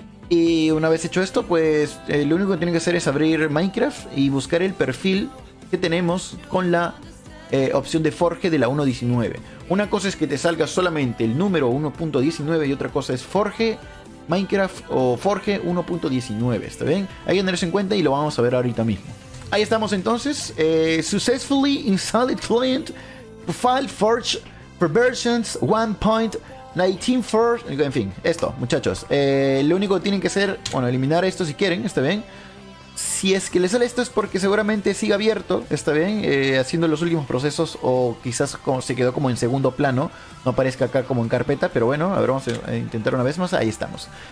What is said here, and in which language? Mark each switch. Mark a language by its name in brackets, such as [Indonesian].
[Spanish] Y una vez hecho esto, pues lo único que tienen que hacer es abrir Minecraft y buscar el perfil que tenemos con la opción de Forge de la 1.19. Una cosa es que te salga solamente el número 1.19 y otra cosa es Forge Minecraft o Forge 1.19, ¿está bien? Hay que tener eso en cuenta y lo vamos a ver ahorita mismo. Ahí estamos entonces. [English] Successfully installed client file Forge for versions 1.19.4. [Spanish] En fin, esto, muchachos. Lo único que tienen que hacer, bueno, eliminar esto si quieren, ¿está bien? Si es que le sale esto es porque seguramente sigue abierto, ¿está bien? Haciendo los últimos procesos o quizás como se quedó como en segundo plano. No aparezca acá como en carpeta, pero bueno, a ver, vamos a intentar una vez más. Ahí estamos.